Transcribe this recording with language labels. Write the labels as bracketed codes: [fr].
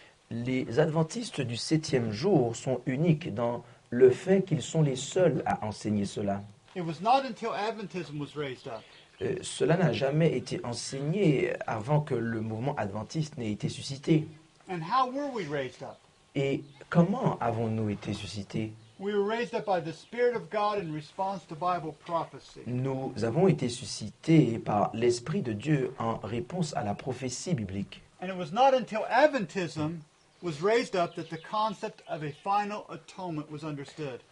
[fr] Les Adventistes du septième jour sont uniques dans le fait qu'ils sont les seuls à enseigner cela. [en] It was not until Adventism was raised up. [fr] Cela n'a jamais été enseigné avant que le mouvement adventiste n'ait été suscité. [en] And how were we raised up? [fr] Et comment avons-nous été suscités? [en] We were raised up by the Spirit of God in response to Bible prophecy. [fr] Nous avons été suscités par l'Esprit de Dieu en réponse à la prophétie biblique. [en] And it was not until Adventism was raised up that the concept of a final atonement was understood.